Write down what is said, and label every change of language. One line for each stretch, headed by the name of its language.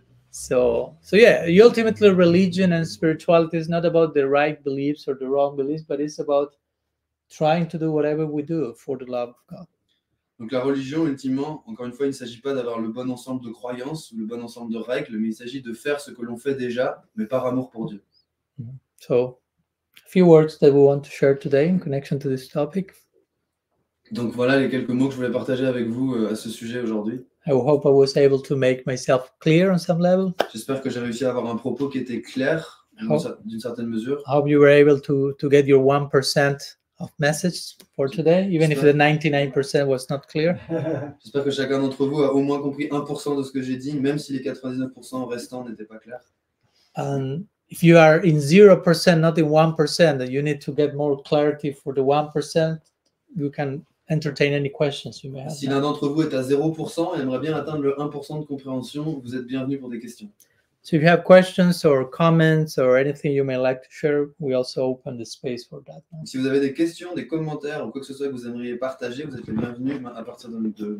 English: So yeah, ultimately religion and spirituality is not about the right beliefs or the wrong beliefs, but it's about trying to do whatever we do for the love of God.
French: Donc la religion, ultimement, encore une fois, il ne s'agit pas d'avoir le bon ensemble de croyances ou le bon ensemble de règles, mais il s'agit de faire ce que l'on fait déjà, mais par amour pour Dieu.
English: So, a few words that we want to share today in connection to this topic.
French: Donc voilà les quelques mots que je voulais partager avec vous à ce sujet aujourd'hui.
English: I hope I was able to make myself clear on some level.
French: J'espère que j'ai réussi à avoir un propos qui était clair d'une certaine mesure.
English: I hope you were able to get your 1% of message for today, even if the 99% was not clear.
French: J'espère que chacun d'entre vous a au moins compris 1% de ce que j'ai dit, même si les 99% restants n'étaient pas clairs.
English: If you are in 0%, not in 1%, you need to get more clarity for the 1%. You can entertain any questions you may have.
French: Si l'un d'entre vous est à 0% et aimerait bien atteindre le 1% de compréhension, vous êtes bienvenu pour des questions.
English: So if you have questions or comments or anything you may like to share, we also open the space for that.
French: Si vous avez des questions, des commentaires ou quoi que ce soit que vous aimeriez partager, vous êtes bienvenu à partir de notre